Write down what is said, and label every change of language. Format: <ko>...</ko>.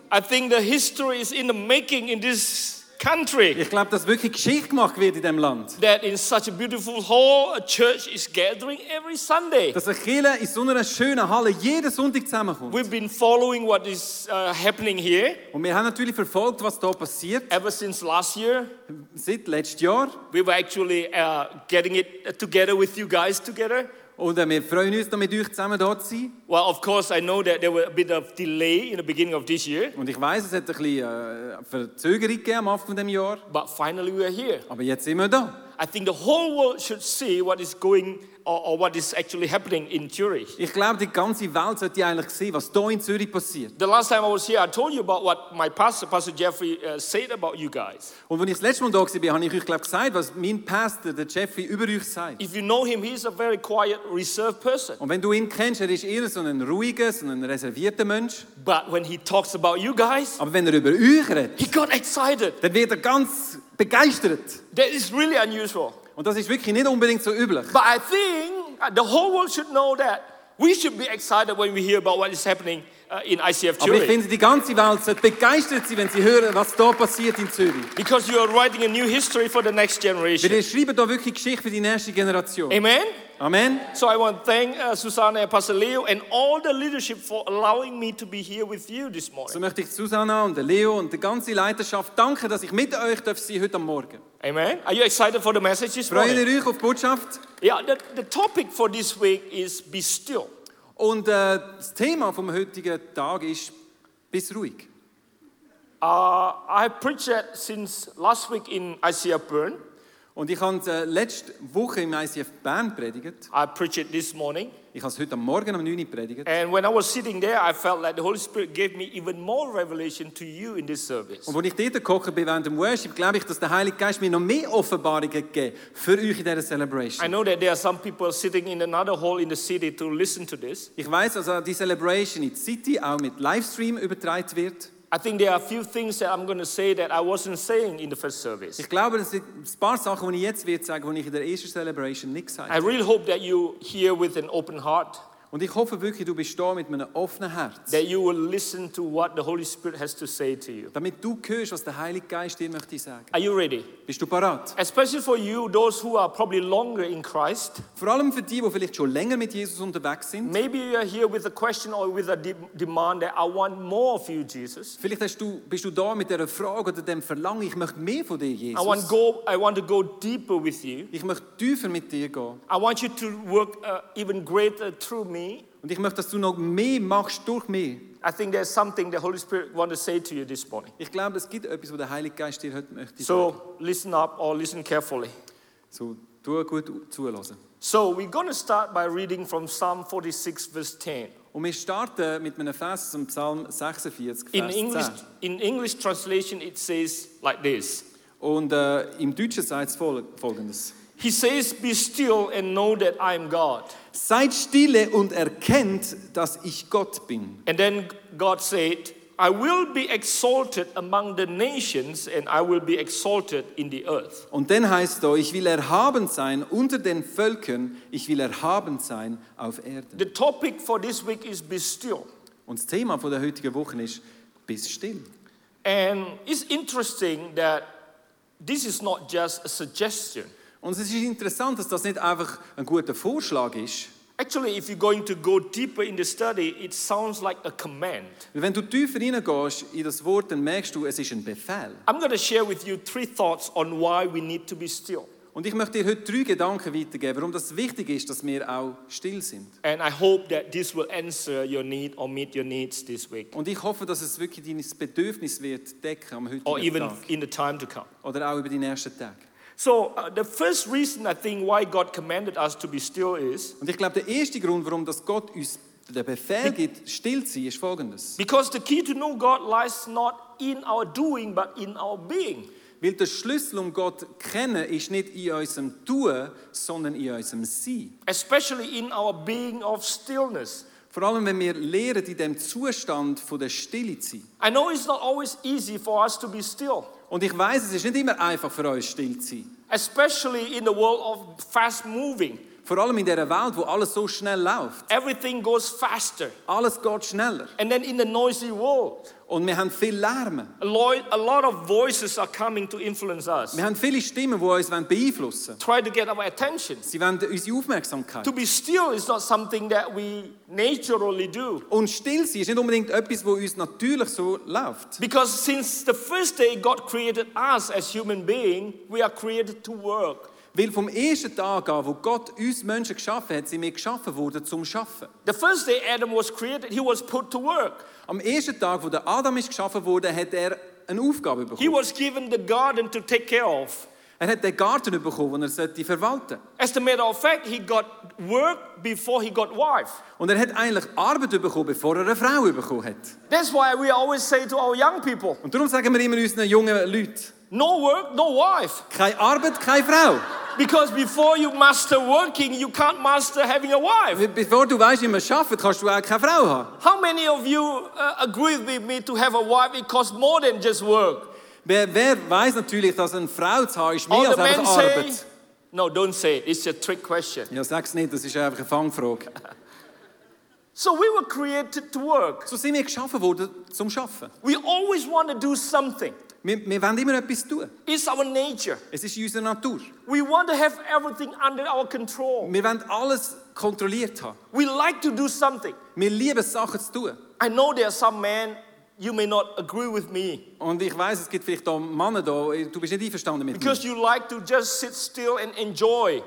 <en>I think the history is in the making in this country.</en> <de>Ich glaube, dass wirklich Geschichte gemacht wird in dem Land.</de> <en>That in such a beautiful hall a church is gathering every Sunday.</en> <de>Dass eine Kirche in so einer schönen Halle jeden Sonntag zusammenkommt.</de> <en>We've been following what is happening here.</en> <de>Und wir haben natürlich verfolgt, was da passiert.</de> <en>Ever since last year.</en> <de>Seit letztes Jahr.</de> <en>We were actually getting it together with you guys together.</en> <de>Und wir freuen uns, mit euch zusammen da zu sein.</de> <en>Well, of course, I know that there was a bit of delay in the beginning of this year.</en> <de>Und ich weiß, es hat ein bisschen Verzögerung gegeben am Anfang dem Jahr.</de> <en>But finally, we are here.</en> <de>Aber jetzt sind wir da.</de> <en>I think the whole world should see what is going or what is actually happening in Zürich.</en> <de>Ich glaube, die ganze Welt sollte eigentlich sehen, was da in Zürich passiert.</de> <en>The last time I was here, I told you about what my pastor, Pastor Jeffrey, said about you guys.</en> <de>Und wenn ich das letzte Mal da war, habe ich euch glaube gesagt, was mein Pastor, der Jeffrey, über euch sagt.</de> <en>If you know him, he's a very quiet, reserved person.</en> <de>Und wenn du ihn kennst, er ist eher so ein ruhiger, so ein reservierter Mensch.</de> <en>But when he talks about you guys,</en> <de>aber wenn er über euch redet,</de> <en>he got excited.</en> <de>Dann wird er ganz begeistert.</de> <en>That is really unusual.</en> <de>Und das ist wirklich nicht unbedingt so üblich.</de> <en>But I think the whole world should know that we should be excited when we hear about what is happening in ICF Zurich.</en> <de>Aber ich finde, die ganze Welt sollte begeistert sein, wenn sie hören, was da passiert in Zürich.</de> <en>Because you are writing a new history for the next generation.</en> <de>Wir schreiben da wirklich Geschichte für die nächste Generation.</de> <en>Amen.</en> <de>Amen.</de> <en>So I want to thank Susanna and Pastor Leo and all the leadership for allowing me to be here with you this morning.</en> <de>So möchte ich Susanna und Leo und der ganze Leiterschaft danken, dass ich mit euch darf sein heute am Morgen.</de> <en>Amen. Are you excited for the message this morning?</en> <de>Freuen euch auf die Botschaft?</de> <en>Yeah, the topic for this week is be still.</en> <de>Und das Thema vom heutigen Tag ist bis ruhig.</de> <en>I preached since last week in ICF Bern.</en> <de>Und ich habe letzte Woche im ICF Bern predigt.</de> <en>I preached it this morning.</en> <de>Ich habe es heute Morgen um 9 Uhr predigt.</de> <en>And when I was sitting there, I felt like the Holy Spirit gave me even more revelation to you in this service.</en> <de>Und wo ich dort gekocht bin während dem Worship, glaube ich, dass der Heilige Geist mir noch mehr Offenbarungen gegeben für euch in dieser Celebration.</de> <en>I know that there are some people sitting in another hall in the city to listen to this.</en> <de>Ich weiß, also die Celebration in der City auch mit Livestream übertragen wird.</de> <en>I think there are a few things that I'm going to say that I wasn't saying in the first service.</en> <de>Ich glaube, es sind ein paar Sachen, die ich jetzt werde sagen, die ich in der ersten Celebration nicht gesagt habe.</de> <en>I really hope that you hear with an open heart.</en> <de>Und ich hoffe wirklich, du bist da mit einem offenen Herz.</de> <en>That you will listen to what the Holy Spirit has to say to you.</en> <de>Damit du hörst, was der Heilige Geist dir möchte sagen.</de> <en>Are you ready?</en> <de>Bist du bereit?</de> <en>Especially for you, those who are probably longer in Christ.</en> <de>Vor allem für die, wo vielleicht schon länger mit Jesus unterwegs sind.</de> <en>Maybe you are here with a question or with a demand that I want more of you, Jesus.</en> <de>Vielleicht bist du da mit der Frage oder dem Verlangen, ich möchte mehr von dir, Jesus.</de> <en>I want to go deeper with you.</en> <de>Ich möchte tiefer mit dir gehen.</de> <en>I want you to work even greater through me.</en> <de>Und ich möchte, dass du noch mehr machst durch mich.</de> <en>I think there's something the Holy Spirit wants to say to you this morning.</en> <de>Ich glaube, es gibt etwas, was der Heilige Geist dir heute möchte.</de> <en>So, listen up or listen carefully.</en> <de>So, tu gut zuhören.</de> <en>So, we're going to start by reading from Psalm 46, verse 10.</en> <de>Und wir starten mit einem Vers aus Psalm 46, Vers 10.</de> <en>In English translation, it says like this.</en> <de>Und im Deutschen sagt es folgendes.</de> <en>He says, be still and know that I am God.</en> <de>Seid stille und erkennt, dass ich Gott bin.</de> <en>And then God said, I will be exalted among the nations and I will be exalted in the earth.</en> <de>Und dann heißt es, ich will erhaben sein unter den Völkern, ich will erhaben sein auf Erden.</de> <en>The topic for this week is be still.</en> <de>Und das Thema von der heutigen Woche ist,</de> <en>be still. And it's interesting that this is not just a suggestion.</en> <de>Und es ist interessant, dass das nicht einfach ein guter Vorschlag ist.</de> <en>Actually, if you're going to go deeper in the study, it sounds like a command.</en> <de>Wenn du tiefer hineingehst in das Wort, dann merkst du, es ist ein Befehl.</de> <en>I'm going to share with you 3 thoughts on why we need to be still.</en> <de>Und ich möchte dir heute 3 Gedanken weitergeben, warum das wichtig ist, dass wir auch still sind.</de> <en>And I hope that this will answer your need or meet your needs this week.</en> <de>Und ich hoffe, dass es wirklich dein Bedürfnis wird decken am heutigen Tag.</de> <en>Or even</en> <de>Tag.</de> <en>In the time to come.</en> <de>Oder auch über die nächsten Tage.</de> <en>So the first reason I think why God commanded us to be still is.</en> <de>Und ich glaube, der erste Grund, warum das Gott uns der Befehl gibt, still zu sein, ist folgendes.</de> <en>Because the key to know God lies not in our doing, but in our being.</en> <de>Weil der Schlüssel, um Gott zu kennen, ist nicht in unserem Tun, sondern in unserem Sein.</de> <en>Especially in our being of stillness.</en> <de>Vor allem, wenn wir lernen, in dem Zustand von der Stille zu sein.</de> <en>I know it's not always easy for us to be still.</en> <de>Und ich weiß, es ist nicht immer einfach für uns still zu sein.</de> <en>Especially in the world of fast moving.</en> <de>Vor allem in der Welt, wo alles so schnell läuft.</de> <en>Everything goes faster.</en> <de>Alles geht schneller.</de> <en>And then in the noisy world.</en> <de>Und wir haben viel Lärm.</de> <en>A lot of voices are coming to influence us.</en> <de>Wir haben viele Stimmen, wo uns beeinflussen wollen.</de> <en>Try to get our attention.</en> <de>Sie wollen unsere Aufmerksamkeit.</de> <en>To be still is not something that we naturally do.</en> <de>Und still sein ist nicht unbedingt etwas, wo uns natürlich so läuft.</de> <en>Because since the first day God created us as human being, we are created to work.</en> <de>Weil vom ersten Tag an, wo Gott uns Menschen geschaffen hat, sind wir geschaffen worden zum Schaffen.</de> <en>The first day Adam was created, he was put to work.</en> <de>Am ersten Tag, wo der Adam ist geschaffen wurde, hat er eine Aufgabe bekommen.</de> <en>He was given the garden to take care of.</en> <de>Er hat den Garten bekommen, den er verwalten sollte.</de> <en>As a matter of fact, he got work before he got wife.</en> <de>Und er hat eigentlich Arbeit bekommen, bevor er eine Frau bekommen hat.</de> <en>That's why we always say to our young people.</en> <de>Und darum sagen wir immer unseren jungen Leuten.</de> <en>No work, no wife.</en> <de>Keine Arbeit, keine Frau.</de> <en>Because before you master working, you can't master having a wife.</en> <de>Bevor du weißt, wie man arbeitet, kannst du auch keine Frau haben.</de> <en>How many of you agree with me to have a wife? It costs more than just work.</en> <de>Wer weiß natürlich, dass eine Frau zu haben ist mehr als einfach Arbeit.</de> <en>No, don't say it. It's a trick question.</en> <de>Ja, sag's nicht. Das ist einfach eine Fangfrage.</de> <en>So we were created to work.</en> <de>So sind wir geschaffen worden zum Schaffen.</de> <en>We always want to do something.</en> <de>Wir wollen immer etwas tun.</de> <en>It's our nature.</en> <de>Es ist unsere Natur.</de> <en>We want to have everything under our control.</en> <de>Wir wollen alles kontrolliert haben.</de> <en>We like to do something.</en> <de>Wir lieben Sachen zu tun.</de> <en>I know there are some men you may not agree with me.</en> <de>Und ich weiß, es gibt vielleicht auch Männer da, du bist nicht einverstanden mit mir.</de> <en>Because you like to just sit still and enjoy.</en>